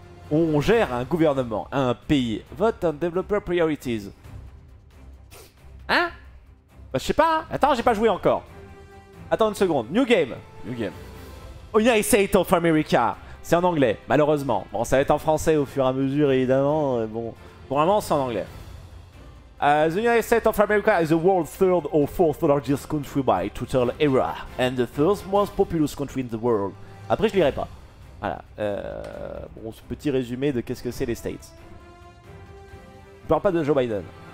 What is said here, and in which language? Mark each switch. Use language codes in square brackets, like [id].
[fr] On gère un gouvernement, un pays. Vote un developer priorities. Hein? Bah, je sais pas. Hein. Attends, j'ai pas joué encore. Attends une seconde. [en] New game. New game. [fr] United States of America. C'est en anglais, malheureusement. Bon, ça va être en français au fur et à mesure, évidemment. Bon, pour le moment, c'est en anglais. [en] The United States of America is the world's third or fourth largest country by total area and the first most populous country in the world. [fr] Après, je lirai pas. Voilà. Bon, ce petit résumé de qu'est-ce que c'est les States. Je parle pas de Joe Biden.